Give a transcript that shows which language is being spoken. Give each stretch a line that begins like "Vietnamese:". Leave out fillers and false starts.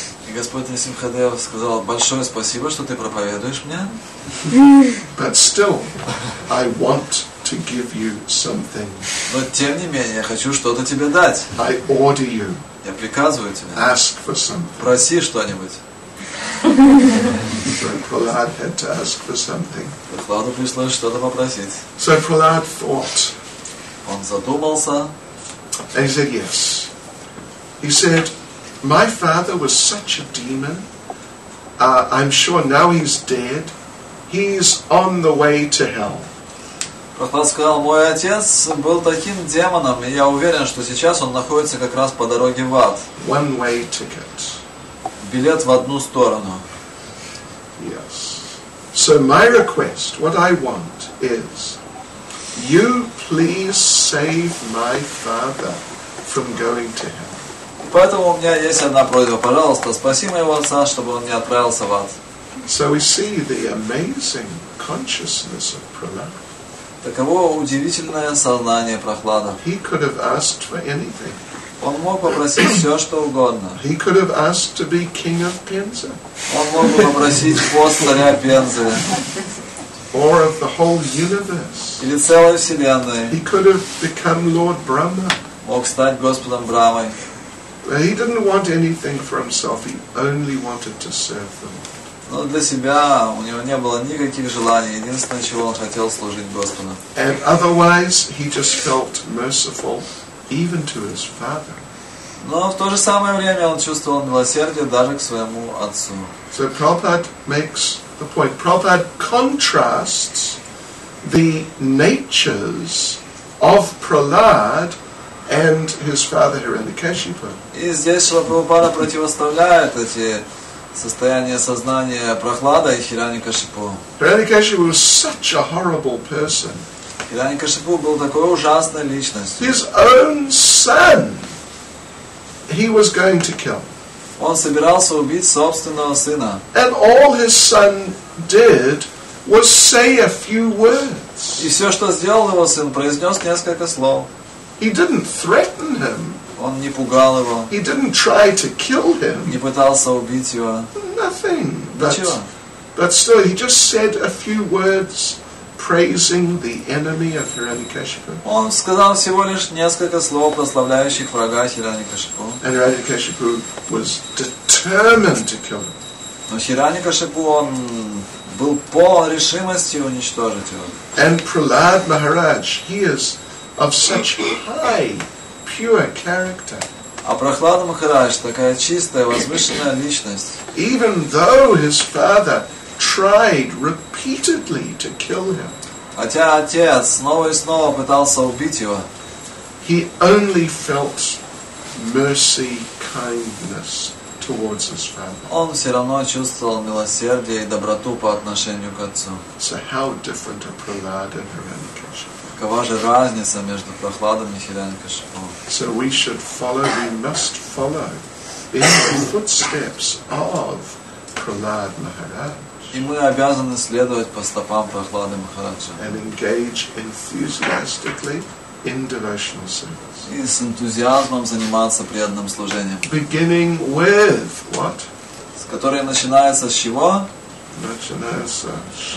Russian: И Господь Нрисимхадев сказал: "Большое спасибо, что ты проповедуешь мне."
English: But still, I want to give you something.
Russian: Но тем не менее, я хочу что-то тебе дать.
English: I order you.
Russian: Я приказываю тебе.
English: Ask for something.
Russian: Проси что-нибудь.
English: So Prahlad had to ask for something.
Russian: Прохладу пришлось что-то попросить.
English: So Prahlad thought.
Russian: Он задумался.
English: And he said yes. He said, "My father was such a demon. I'm sure now he's dead. He's on the way to hell."
Russian: Прохлад сказал: "Мой отец был таким демоном, и я уверен, что сейчас он находится как раз по дороге в ад."
English: One way ticket.
Russian: билет в одну сторону.
English: Yes. So my request, what I want is, you please save my father from going to hell.
Russian: Поэтому у меня есть одна просьба, пожалуйста, спаси моего отца, чтобы он не отправился в ад.
English: So we see the amazing consciousness of Prahlada.
Russian: Таково удивительное сознание Прохлада.
English: He could have asked for anything.
Russian: Он мог попросить все, что угодно.
English: He could have asked to be king of Penza.
Russian: Он мог попросить пост царя Пензы.
English: Or of the whole universe.
Russian: Или целой вселенной.
English: He could have become Lord Brahma.
Russian: Мог стать Господом Брахмой.
English: But he didn't want anything for himself. He only wanted to serve the Lord.
Russian: Но для себя у него не было никаких желаний. Единственное, чего он хотел, служить Господу.
English: And otherwise, he just felt merciful even to his father.
Russian: Но в то же самое время он чувствовал милосердие даже к своему отцу.
English: So Prabhupada makes the point. Prabhupada contrasts the natures of Prahlad and his father Hiranyakashipu.
Russian: И здесь Прабхупада противоставляет эти состояние сознания Прохлада и Хираньякашипу. Хираньякашипу was such a horrible person. Хираньякашипу был такой ужасной личностью.
English: His own son, he was going to kill.
Russian: Он собирался убить собственного сына.
English: And all his son did was say a few words.
Russian: И все, что сделал его сын, произнес несколько слов.
English: He didn't threaten him.
Russian: Он не пугал его.
English: He didn't try to kill him.
Russian: Не пытался убить его.
English: Nothing.
Russian: Ничего.
English: But still, he just said a few words praising the enemy of Hiranyakashipu.
Russian: Он сказал всего лишь несколько слов, прославляющих врага Хиранькашипу.
English: And Hiranyakashipu was determined to kill him.
Russian: Но Хиранькашипу он был полон решимости уничтожить его.
English: And Prahlad Maharaj, he is of such high, pure character.
Russian: А Прохлада Махарадж такая чистая, возвышенная личность.
English: Even though his father tried repeatedly to kill him.
Russian: Хотя отец снова и снова пытался убить его.
English: He only felt mercy, kindness towards his father.
Russian: Он все равно чувствовал милосердие и доброту по отношению к отцу.
English: So how different are Prahlada and Hiranyakashipu?
Russian: Какова же разница между Прохладом и Хиранькашипу?
English: So we should follow, we must follow in the footsteps of Prahlad Maharaj.
Russian: И мы обязаны следовать по стопам Прохлады Махараджа.
English: And engage enthusiastically in devotional service.
Russian: И с энтузиазмом заниматься преданным служением.
English: Beginning with what?
Russian: С которой начинается с чего? Начинается с